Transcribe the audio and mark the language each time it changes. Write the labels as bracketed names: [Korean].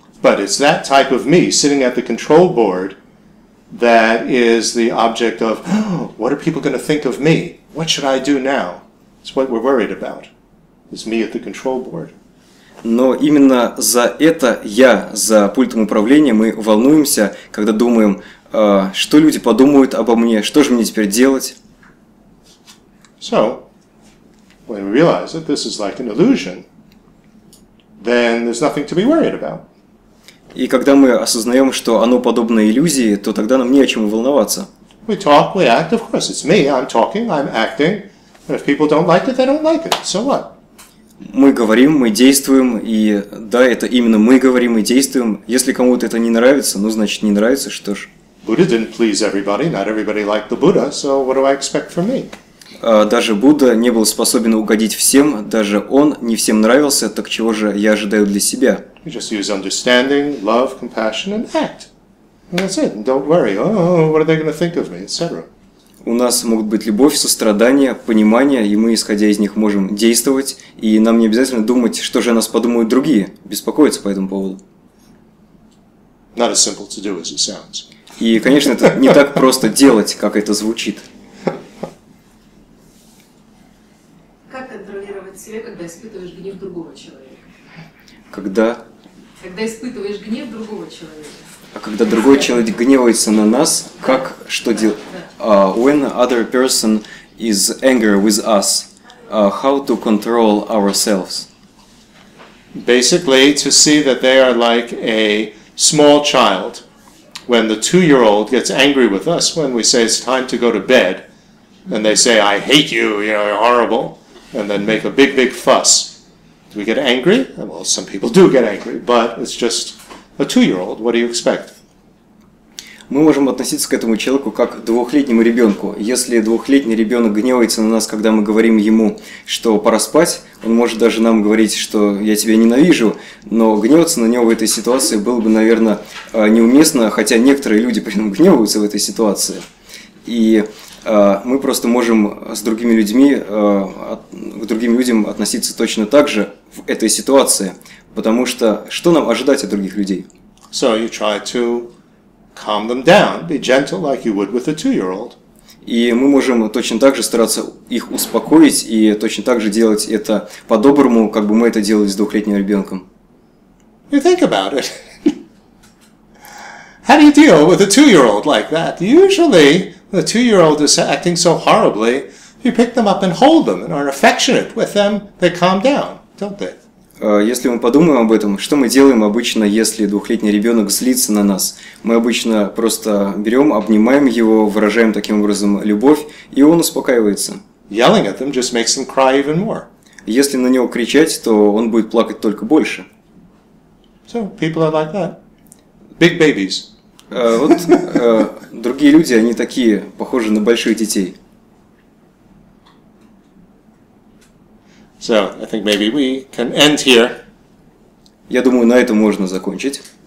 [English] But it's that type of me sitting at the control board that is the object of, oh, what are people going to think of me? What should I do now? It's what we're worried about. It's me at the control board. [Russian] Но именно за это я, за пультом управления, мы волнуемся, когда думаем, что люди подумают обо мне, что же мне теперь делать? [English] So, when we realize that this is like an illusion, then there's nothing to be worried about. [Russian] И когда мы осознаем, что оно подобно иллюзии, то тогда нам не о чем волноваться. [English] We talk, we act. Of course, it's me. I'm talking, I'm acting. And if people don't like it, they don't like it. So what? [Russian] Мы говорим, мы действуем, и да, это именно мы говорим и действуем. Если кому-то это не нравится, ну значит не нравится, что ж. [English] Buddha didn't please everybody, not everybody liked the Buddha, so what do I expect from me? [Russian] Даже Будда не был способен угодить всем, даже он не всем нравился, так чего же я ожидаю для себя? [English] You just use understanding, love, compassion, and act. And that's it, don't worry, oh, what are they going to think of me, etc. [Russian] У нас могут быть любовь, сострадание, понимание, и мы, исходя из них, можем действовать, и нам не обязательно думать, что же о нас подумают другие, беспокоиться по этому поводу. [English] Not as simple to do, as it sounds. [Russian] И, конечно, это не так просто делать, как это звучит. Как контролировать себя, когда испытываешь гнев другого человека? Когда? Когда испытываешь гнев другого человека. А когда другой человек гневается на нас, как, что делать? [English] When other person is angry with us, how to control ourselves? Basically, to see that they are like a small child. When the two-year-old gets angry with us, when we say it's time to go to bed, and they say, I hate you, you know, you're horrible, and then make a big, big fuss, do we get angry? Well, some people do get angry, but it's just a two-year-old. What do you expect? [Russian] Мы можем относиться к этому человеку как к двухлетнему ребенку. Если двухлетний ребенок гневается на нас, когда мы говорим ему, что пора спать, он может даже нам говорить, что я тебя ненавижу, но гневаться на него в этой ситуации было бы, наверное, неуместно, хотя некоторые люди при этом гневаются в этой ситуации. И мы просто можем с другими людьми, к другим людям относиться точно так же в этой ситуации, потому что что нам ожидать от других людей? [English] So you try to... Calm them down. Be gentle, like you would with a two-year-old. [Russian] И мы можем точно так же стараться их успокоить и точно так же делать это по-доброму, как бы мы это делали с двухлетним ребенком. [English] You think about it. How do you deal with a two-year-old like that? Usually, when a two-year-old is acting so horribly, you pick them up and hold them and are affectionate with them. They calm down, don't they? [Russian] Если мы подумаем об этом, что мы делаем обычно, если двухлетний ребенок злится на нас? Мы обычно просто берем, обнимаем его, выражаем таким образом любовь, и он успокаивается. [English] Yelling at them just makes them cry even more. [Russian] Если на него кричать, то он будет плакать только больше. [English] So, people are like that. Big babies. [Russian] Другие люди, они такие, похожи на больших детей. [English] So, I think maybe we can end here. [Russian] Я думаю, на этом можно закончить.